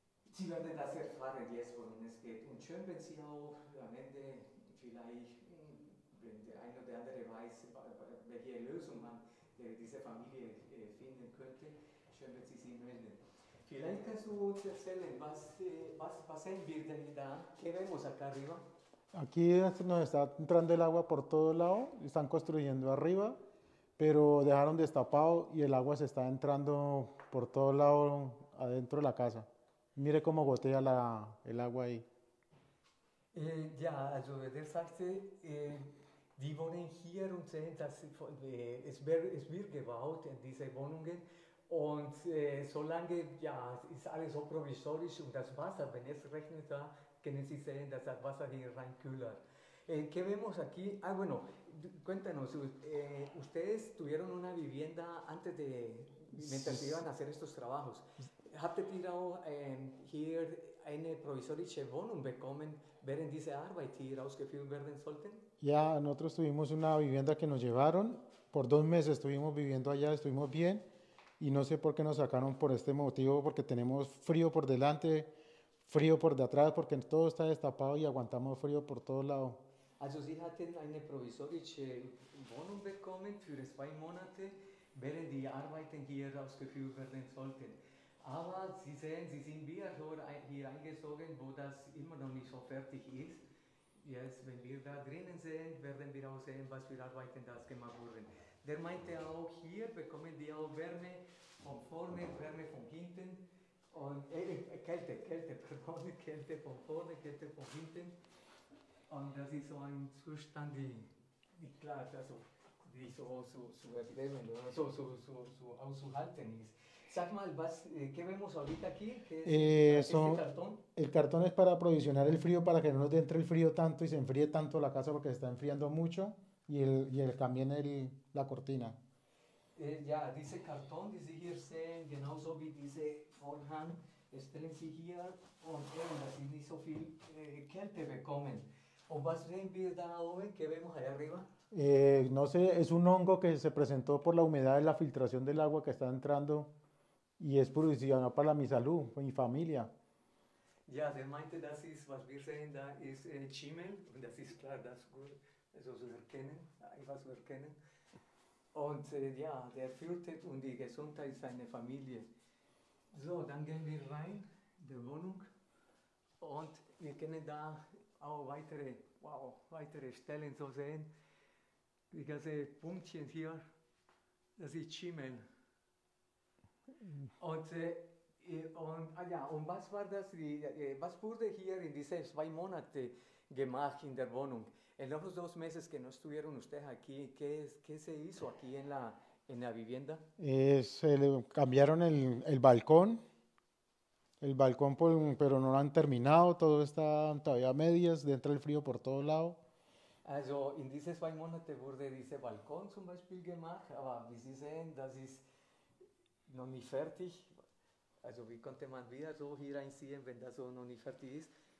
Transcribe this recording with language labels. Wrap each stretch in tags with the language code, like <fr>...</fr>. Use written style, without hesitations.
<de>Sie werden das erfahren jetzt, worum es geht. Und schön, wenn Sie auch am Ende vielleicht, wenn der eine oder andere weiß, welche Lösung man diese Familie finden könnte, schön, wenn Sie sich melden. Vielleicht kannst du uns erzählen, was sehen wir denn da?</de> <es>¿Qué vemos acá arriba? Aquí nos está entrando el agua por todo lado, están construyendo arriba, pero dejaron destapado y el agua se está entrando por todo lado adentro de la casa. Mire cómo gotea el agua ahí.</es> <de>Ja, also der sagte, die wohnen hier und sehen, dass es wird gebaut in diese Wohnungen. Und solange, ja, ist alles so provisorisch und das Wasser, wenn es regnet da, können Sie sehen, dass das Wasser hier rein kühler.</de> <es>¿Qué vemos aquí? Ah, bueno, cuéntanos, ustedes tuvieron una vivienda antes mientras iban a hacer estos trabajos.</es> <de>¿Habt ihr auch hier eine provisorische Wohnung bekommen, während diese Arbeit hier ausgeführt werden sollten?</de> <es>Ya nosotros tuvimos una vivienda que nos llevaron, por 2 meses estuvimos viviendo allá, estuvimos bien y no sé por qué nos sacaron por este motivo, porque tenemos frío por delante, frío por detrás, porque todo está destapado y aguantamos frío por todos lados.</es> <de>Also, Sie hatten eine provisorische Wohnung bekommen für 2 Monate, während die Arbeiten hier ausgeführt werden sollten. Aber Sie sehen, Sie sind wieder hier eingezogen, wo das immer noch nicht so fertig ist. Jetzt, wenn wir da drinnen sind, werden wir auch sehen, was für Arbeiten das gemacht wurden. Der meinte auch, hier bekommen die auch Wärme von vorne, Wärme von hinten. Und Kälte, pardon, Kälte von vorne, Kälte von hinten. Und das ist so ein Zustand, die klar, also die so erleben oder so auszuhalten ist. Sag mal, was wir</de> <es>ahorita aquí? ¿Qué es Eso, este Karton? el cartón es para aprovisionar el frío, para que no nos entre el frío tanto y se enfríe tanto la casa porque se está enfriando mucho y también la cortina.</es> <de>Ja, diese Karton, die Sie hier sehen, genauso wie diese Vorhang, stellen Sie hier und eben, dass Sie nicht so viel Kälte bekommen.</de> <es>¿O vas a ver</es> <de>da oben?</de> <es>¿Qué vemos allá arriba? No sé, es un hongo que se presentó por la humedad de la filtración del agua que está entrando. Y es producido para mi salud, para mi familia.</es> <de>Ja, der meinte, das ist, was wir sehen, da ist Schimmel. Und das ist klar, das ist gut, also zu erkennen, einfach zu erkennen. Und ja, der fürchtet um die Gesundheit seiner Familie. So, dann gehen wir rein in die Wohnung. Und wir können da auch weitere Stellen so sehen. Die ganze Punktchen hier, das ist Schimmel. Und, ja, und was war das? Was wurde hier in diesen 2 Monaten gemacht in der Wohnung?</de> <es>En los 2 meses que no estuvieron ustedes aquí, ¿qué se hizo aquí en la vivienda? Cambiaron el balcón, pero no lo han terminado, todo está todavía a medias, dentro del frío por todo lado.</es> <de>Also, in diesen 2 Monaten wurde dieser Balkon zum Beispiel gemacht, aber wie Sie sehen, das ist noch nicht fertig. Also, wie konnte man wieder so hier einziehen, wenn das so noch nicht fertig ist?</de>